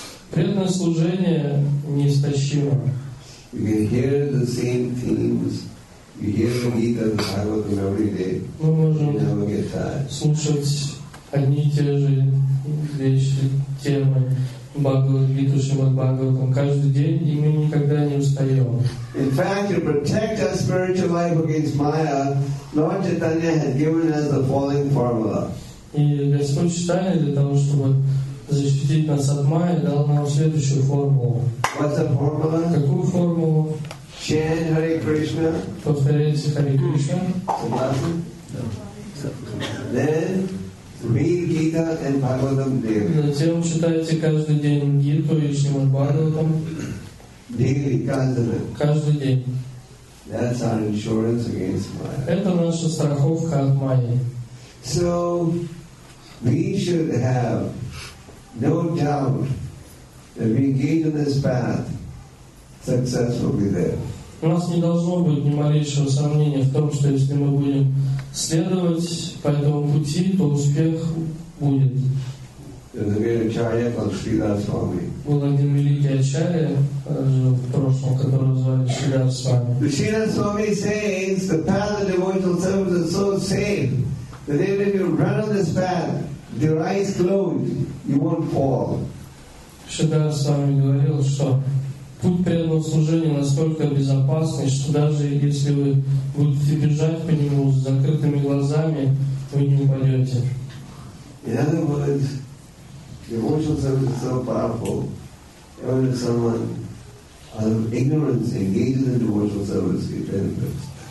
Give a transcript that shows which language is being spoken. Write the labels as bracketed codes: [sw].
[ru] Преданное служение неистощимо. [en] You can hear the same themes. You hear the Gita and the Bhagavatam every day. You never get tired. [ru] Слушать одни и те же вещи, темы Бхагавад-гиту, Шримад-Бхагаватам каждый день, и мы никогда не устаем. [en] In fact, to protect our spiritual life against Maya, Lord Chaitanya has given us the following formula. [ru] И Господь Читания для того, чтобы защитить нас от Майи, дал нам следующую формулу. [en] What's the formula? [ru] Какую формулу? [en] Chant Hare Krishna. [ru] Повторяйте Hare Krishna. [en] Then read Gita and Bhagavatam daily. [ru] Затем читайте каждый день Гиту и Шримад Бхагаватам. [en] Daily, [ru] каждый день. Каждый день. [en] That's our insurance against Maya. [ru] Это наша страховка от Майи. [en] So we should have no doubt that we engage in this path. Success will be there. [ru] У нас не должно быть ни малейшего сомнения в том, что если мы будем следовать по этому пути, то успех будет. Был один великий ачарья в прошлом, которого звали Шридхар Свами. [en] Шридхар Свами says the path of devotional service is so safe that even if you run on this path, with your eyes closed, you won't fall. [ru] Шридхар Свами говорил, что путь преданного служения настолько безопасный, что даже если вы будете бежать по нему с закрытыми глазами, вы не упадете. [en] In other words, devotional service is so powerful, even if someone out of ignorance engages in devotional service, he benefits.